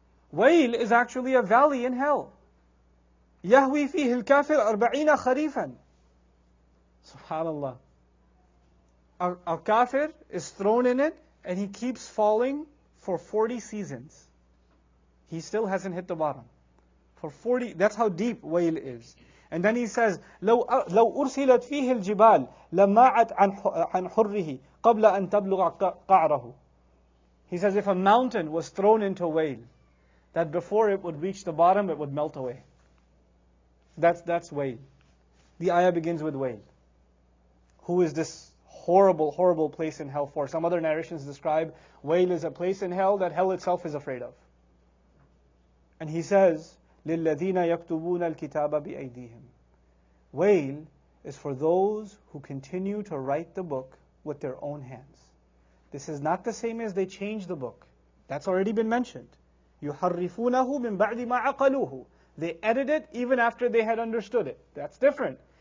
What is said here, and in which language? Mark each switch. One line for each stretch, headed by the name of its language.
English: Wail is actually a valley in hell.
Arabic: Yahwi fihi al-kafir 40 kharifan.
English: Subhanallah. Al-kafir is thrown in it and he keeps falling for 40 seasons. He still hasn't hit the bottom. That's how deep wail is. And then he says,
Arabic: لو أرسلت فيه الجبال لماعت عن حره قبل أن تبلغ قعره.
English: He says, if a mountain was thrown into whale, that before it would reach the bottom, it would melt away. That's whale. The ayah begins with whale. Who is this horrible, horrible place in hell for? Some other narrations describe whale as a place in hell that hell itself is afraid of. And he says,
Arabic: لِلَّذِينَ يَكْتُبُونَ الْكِتَابَ بِأَيْدِيهِمْ.
English: Wail is for those who continue to write the book with their own hands. This is not the same as they change the book. That's already been mentioned.
Arabic: يُحَرِّفُونَهُ مِنْ بَعْدِ مَا عَقَلُوهُ.
English: They edit it even after they had understood it. That's different.